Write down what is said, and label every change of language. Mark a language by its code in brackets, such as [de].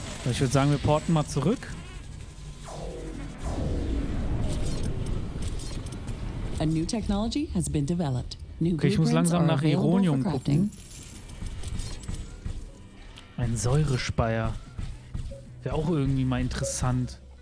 [de] Ich würde sagen, wir porten mal zurück. [en] A new technology has been developed. [de] New okay, ich muss langsam nach Eronium gucken. Ein Säurespeier. Wäre auch irgendwie mal interessant.